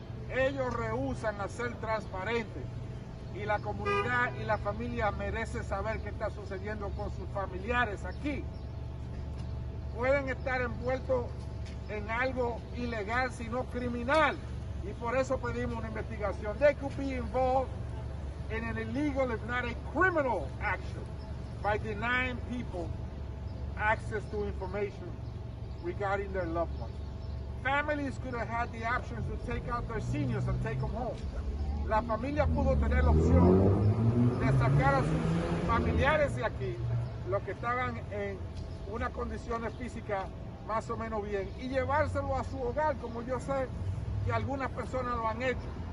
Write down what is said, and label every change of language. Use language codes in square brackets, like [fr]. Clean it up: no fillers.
[es] Ellos rehúsan a ser transparentes y la comunidad y la familia merece saber qué está sucediendo con sus familiares aquí. Pueden estar envueltos en algo ilegal, sino criminal, y por eso pedimos una investigación. [en] They could be involved in an illegal, if not a criminal action, by denying people access to information regarding their loved ones. Families could have had the option to take out their seniors and take them home. [es] La familia pudo tener la opción de sacar a sus familiares de aquí, los que estaban en una condición física más o menos bien, y llevárselo a su hogar, como yo sé que algunas personas lo han hecho.